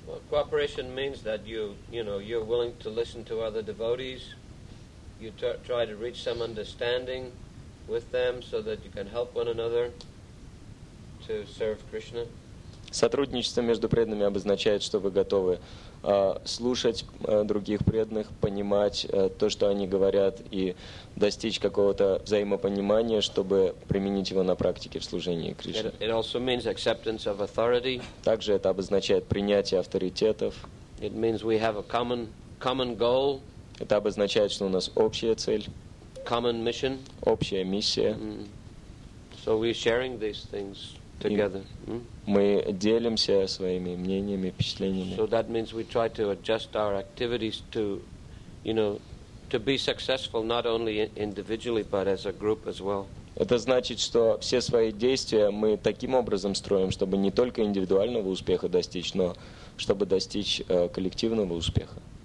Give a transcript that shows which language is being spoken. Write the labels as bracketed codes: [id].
[en] Cooperation means that you, you know, you're willing to listen to other devotees. You try to reach some understanding with them so that you can help one another to serve Krishna. [ru] Сотрудничество между преданными обозначает, что вы готовы слушать других преданных, понимать то, что они говорят, и достичь какого-то взаимопонимания, чтобы применить его на практике в служении Кришне. [en] It also means acceptance of authority. [ru] Также это обозначает принятие авторитетов. [en] It means we have a common goal. [ru] Это обозначает, что у нас общая цель. [en] Common mission. [ru] Общая миссия. Mm-hmm. [en] So we're sharing these things together. [ru] Мы делимся своими мнениями, впечатлениями. [en] So that means we try to adjust our activities to, you know, to be successful not only individually but as a group as well. [ru] Это значит, что все свои действия мы таким образом строим, чтобы не только индивидуального успеха достичь, но чтобы достичь коллективного успеха.